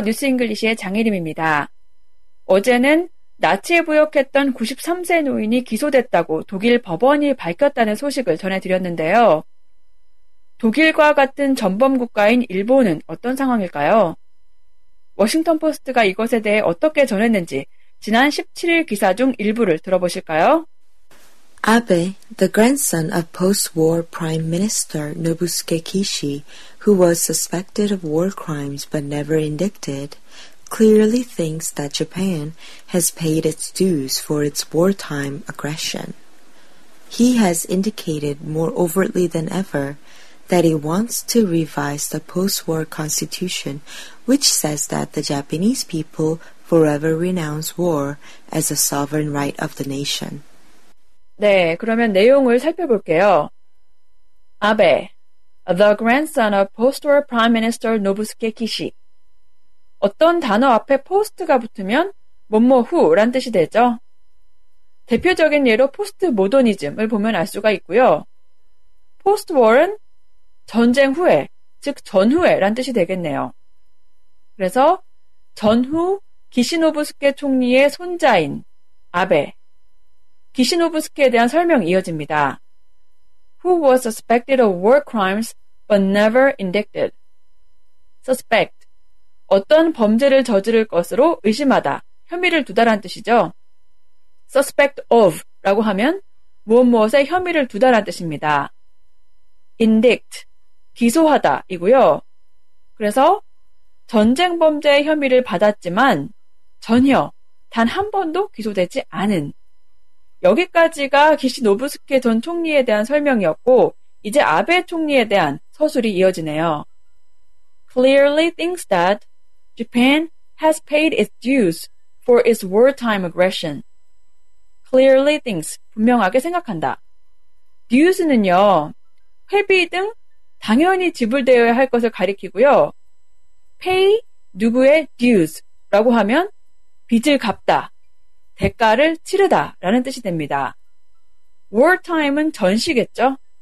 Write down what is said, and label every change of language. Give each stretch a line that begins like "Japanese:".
Korean: 뉴스 잉글리시의 장혜림입니다. 어제는 나치에 부역했던 93세 노인이 기소됐다고 독일 법원이 밝혔다는 소식을 전해드렸는데요. 독일과 같은 전범 국가인 일본은 어떤 상황일까요? 워싱턴 포스트가 이것에 대해 어떻게 전했는지 지난 17일 기사 중 일부를 들어보실까요?
English: Abe, the grandson of post-war Prime Minister Nobusuke Kishi, who was suspected of war crimes but never indicted, clearly thinks that Japan has paid its dues for its wartime aggression. He has indicated more overtly than ever that he wants to revise the post-war constitution, which says that the Japanese people forever renounce war as a sovereign right of the nation.
Korean: 네, 그러면 내용을 살펴볼게요.
English: 아베, the grandson of post-war Prime Minister Nobusuke Kishi.
Korean: 어떤 단어 앞에 post가 붙으면 뭐뭐 후란 뜻이 되죠. 대표적인 예로 포스트모더니즘을 보면 알 수가 있고요. Post-war은 전쟁 후에, 즉 전후에란 뜻이 되겠네요. 그래서 전후 기시 노부스케 총리의 손자인 아베. 기시노부스케에 대한 설명이 이어집니다.
English: Who was suspected of war crimes but never indicted? Suspect.
Korean: 어떤 범죄를 저지를 것으로 의심하다, 혐의를 두다란 뜻이죠. Suspect of 라고 하면 무엇무엇에 혐의를 두다란 뜻입니다. Indict. 기소하다 이고요. 그래서 전쟁 범죄의 혐의를 받았지만 전혀 단한 번도 기소되지 않은 여기까지가 기시 노부스케 전 총리에 대한 설명이었고, 이제 아베 총리에 대한 서술이 이어지네요.
English: Clearly thinks that Japan has paid its dues for its wartime aggression. Clearly thinks,
Korean: 분명하게 생각한다. Dues는요, 회비 등 당연히 지불되어야 할 것을 가리키고요. Pay, 누구의 dues라고 하면 빚을 갚다. 대가를 치르다 라는 뜻이 됩니다. Wartime은 전시겠죠?